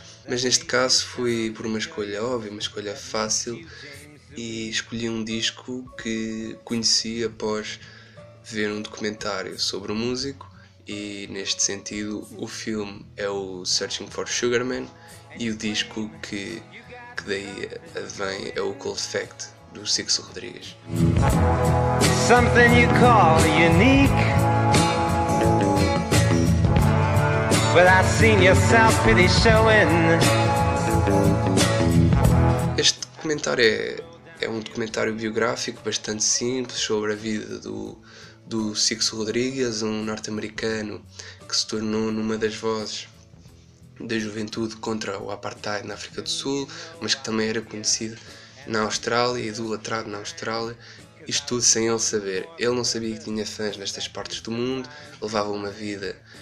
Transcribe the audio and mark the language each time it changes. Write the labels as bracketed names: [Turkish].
[Portuguese] Mas neste caso foi por uma escolha óbvia, uma escolha fácil, e escolhi um disco que conheci após ver um documentário sobre o músico, e neste sentido o filme é o Searching for Sugar Man. E o disco que daí advém é o Cold Fact, do Sixto Rodrigues. [English] Something you call unique, but I've seen your self-pity showing. [Portuguese] Este documentário é um documentário biográfico bastante simples sobre a vida do Sixto Rodrigues, um norte-americano que se tornou numa das vozes da juventude contra o apartheid na África do Sul, mas que também era conhecido na Austrália, idolatrado na Austrália, isto tudo sem ele saber. Ele não sabia que tinha fãs nestas partes do mundo, levava uma vida